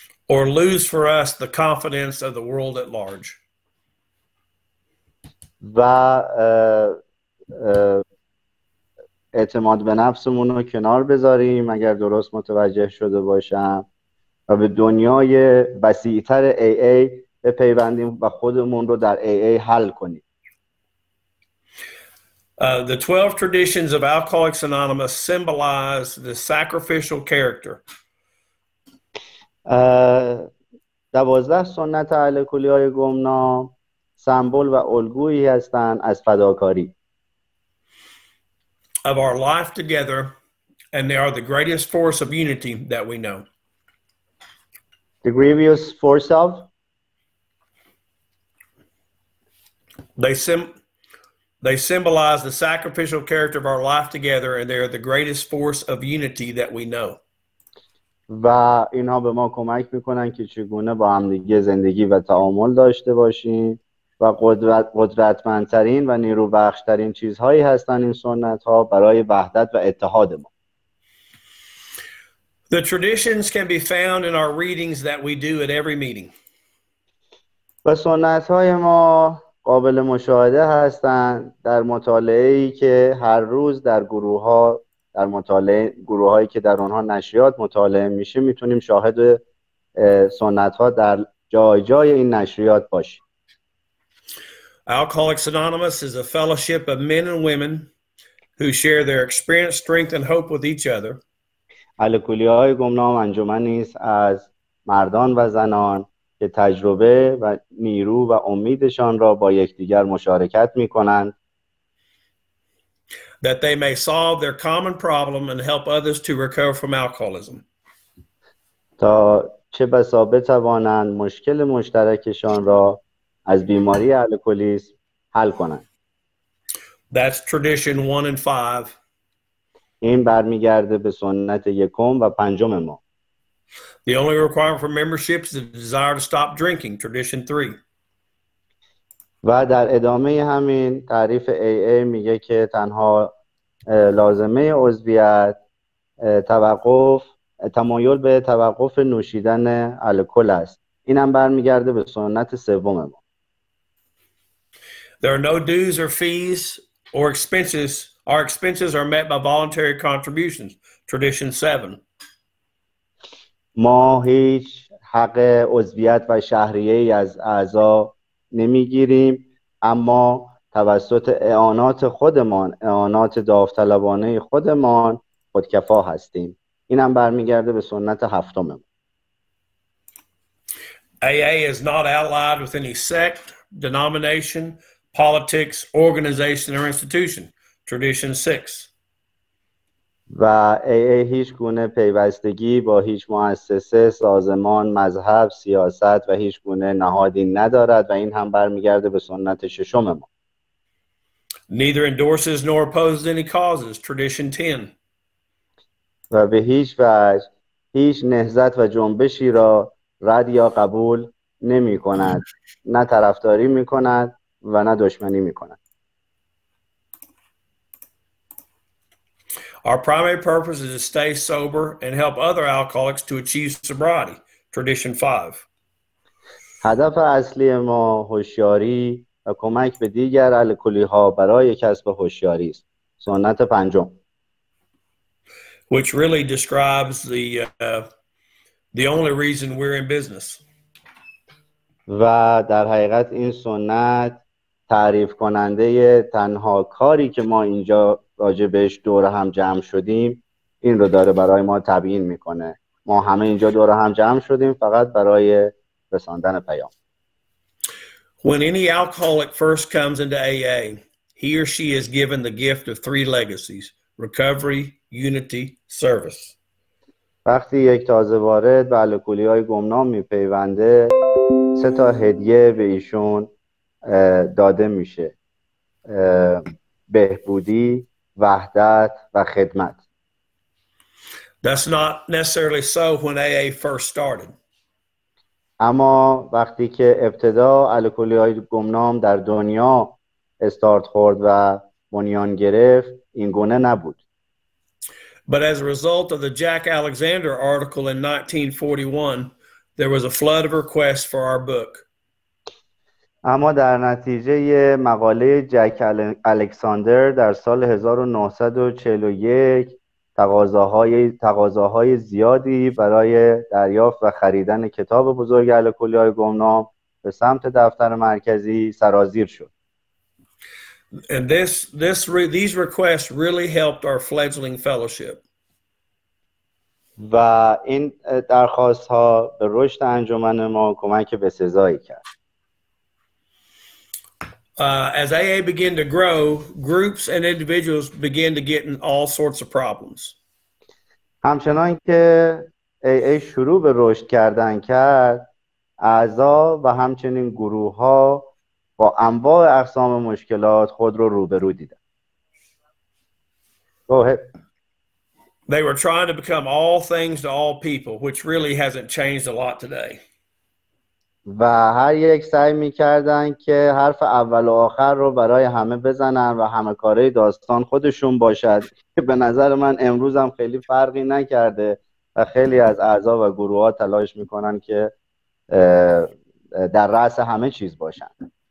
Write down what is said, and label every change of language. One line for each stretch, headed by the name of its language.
English: Or lose for us the confidence of the world at large.
Persian: و اعتماد به نفسمون رو کنار بذاریم اگر درست متوجه شده باشم و به دنیای وسیع‌تر AA بپیوندیم و خودمون رو در AA حل کنیم.
English: The 12 traditions of Alcoholics Anonymous symbolize the sacrificial character.
Persian: 12 سنت الکلی‌های گمنام سمبل و الگویی هستند از فداکاری.
English: Of our life together, and they are the greatest force of unity that we know. The grievous force of? They symbolize the sacrificial character of our life together, and they are the greatest force of unity that we know.
Persian: و اینها به ما کمک میکنن که چگونه با همدیگه زندگی و تعامل داشته باشیم. و قدرتمندترین و نیروبخشترین چیزهایی هستند این سنت ها برای وحدت و اتحاد ما.
English: The traditions can be found in our readings that we do at every meeting.
Persian: و سنت های ما قابل مشاهده هستند در مطالعه ای که هر روز در گروه ها در مطالعه گروه هایی که در اونها نشریات مطالعه میشه میتونیم شاهد سنت ها در جای جای این نشریات باشیم.
English: Alcoholics Anonymous is a fellowship of men and women who share their experience, strength, and hope with each other.
Persian: الکلی‌های گمنام انجمن نیست از مردان و زنان که تجربه و نیرو و امیدشان را با یکدیگر مشارکت می‌کنند.
English: That they may solve their common problem and help others to recover from alcoholism.
Persian: تا چه بسا بتوانند مشکل مشترکشان را از بیماری الکلیسم حل کنند.
English: That's tradition one and five.
Persian: این برمیگرده به سنت یکم و پنجم ما.
English: The only requirement for membership is the desire to stop drinking, tradition three.
Persian: و در ادامه همین تعریف AA میگه که تنها لازمه عضویت توقف تمایل به توقف نوشیدن الکل است. اینم برمیگرده به سنت سوم ما.
English: There are no dues or fees or expenses. Our expenses are met by voluntary contributions, tradition 7.
Persian: ما هیچ حق عضویت و شهریه‌ای از اعضا نمیگیریم، اما توسط اعانات خودمان، اعانات داوطلبانه خودمان خودکفا هستیم. اینم برمیگرده به سنت هفتم.
English: AA is not allied with any sect, denomination, politics, organization or institution. Tradition 6.
Persian: و AA هیچ گونه پیوستگی با هیچ مؤسسه، سازمان، مذهب، سیاست و هیچ گونه نهادی ندارد و این هم برمیگرده به سنت ششم ما.
English: Neither endorses nor opposes any causes. Tradition 10.
Persian: و به هیچ وجه هیچ نهضت و جنبشی را رد یا قبول نمی کند. نه طرفداری می کند و نه دشمنی می کند.
English: Our primary purpose is to stay sober and help other alcoholics to achieve sobriety. Tradition 5.
Persian: هدف اصلی ما هوشیاری و کمک به دیگر الکلی‌ها برای کسب هوشیاری است. سنت پنجم.
English: Which really describes the only reason we're in business.
Persian: و در حقیقت این سنت تعریف کننده تنها کاری که ما اینجا راجع بهش دور هم جمع شدیم این رو داره برای ما تبیین میکنه. ما همه اینجا دور هم جمع شدیم فقط برای رساندن پیام.
English: When any alcoholic first comes into AA, he or she is given the gift of three legacies: recovery, unity, service.
Persian: وقتی یک تازه وارد به الکلی‌های گمنام میپیونده سه تا هدیه به ایشون داده میشه: بهبودی، وحدت و خدمت.
English: That's not necessarily so when AA first started.
Persian: اما وقتی که ابتدا الکلی‌های گمنام در دنیا استارت خورد و بنیان گرفت این گونه نبود.
English: But as a result of the Jack Alexander article in 1941, there was a flood of requests for our book.
Persian: اما در نتیجه مقاله جک الکساندر در سال 1941 تقاضاهای زیادی برای دریافت و خریدن کتاب بزرگ الکلی‌های گمنام به سمت دفتر مرکزی سرازیر شد.
English: And these requests really helped our fledgling fellowship.
Persian: و این درخواست ها به رشد انجمن ما کمک به سزایی کرد.
English: As AA began to grow, groups and individuals began to get in all sorts of problems.
Persian: همچنان که AA شروع به رشد کردن کرد، اعضا و همچنین گروه ها با انواع اقسام مشکلات خود رو روبرو دیدن.
English: Go ahead. They were trying to become all things to all people, which really hasn't changed a lot today.
Persian: و هر یک سعی می‌کردن که حرف اول و آخر رو برای همه بزنن و همه کاره داستان خودشون باشد که به نظر من امروز هم خیلی فرقی نکرده و خیلی از اعضا و گروه‌ها تلاش می‌کنن که در رأس همه چیز باشن.